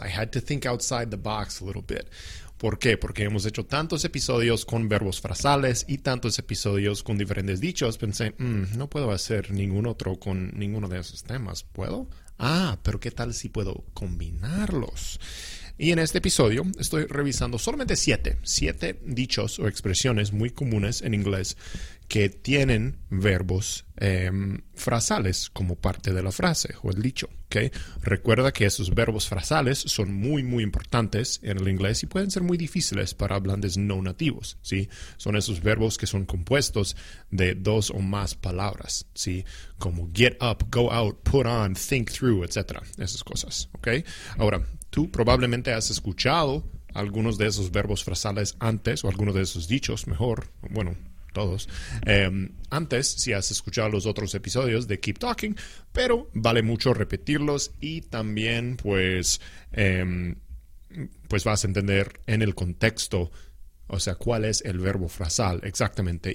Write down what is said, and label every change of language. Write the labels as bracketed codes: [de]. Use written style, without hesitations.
[en] I had to think outside the box a little bit. [es] ¿Por qué? Porque hemos hecho tantos episodios con verbos frasales y tantos episodios con diferentes dichos. Pensé, no puedo hacer ningún otro con ninguno de esos temas. ¿Puedo? Ah, pero ¿qué tal si puedo combinarlos? Y en este episodio estoy revisando solamente siete dichos o expresiones muy comunes en inglés que tienen verbos frasales como parte de la frase o el dicho, ¿okay? Recuerda que esos verbos frasales son muy, muy importantes en el inglés y pueden ser muy difíciles para hablantes no nativos, ¿sí? Son esos verbos que son compuestos de dos o más palabras, ¿sí? [en] Como get up, go out, put on, think through, etc. [es] Esas cosas, ¿okay? Ahora, tú probablemente has escuchado algunos de esos verbos frasales antes o algunos de esos dichos, mejor, bueno, todos. Antes, si has escuchado los otros episodios de Keep Talking, pero vale mucho repetirlos y también, pues vas a entender en el contexto, o sea, cuál es el verbo frasal exactamente.